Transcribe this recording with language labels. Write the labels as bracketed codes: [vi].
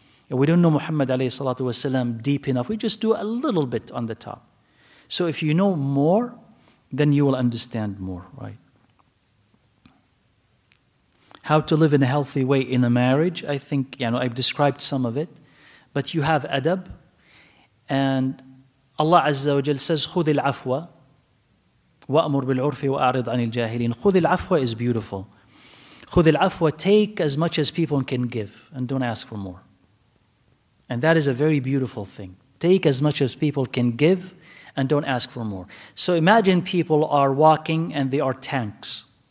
[en] We don't know Muhammad alayhi salatu wasalam deep enough. We just do a little bit on the top. So if you know more, then you will understand more, right? How to live in a healthy way in a marriage, I think, you know, I've described some of it. But you have adab. And Allah Azza wa Jal says, [ar] خُذِ الْعَفْوَ وَأْمُرْ بِالْعُرْفِ وَأَعْرِضْ عَنِ الْجَاهِلِينَ. خُذِ الْعَفْوَ [en] is beautiful. خُذِ الْعَفْوَ, take as much as people can give and don't ask for more. And that is a very beautiful thing. Take as much as people can give and don't ask for more. So imagine people are walking and they are tanks.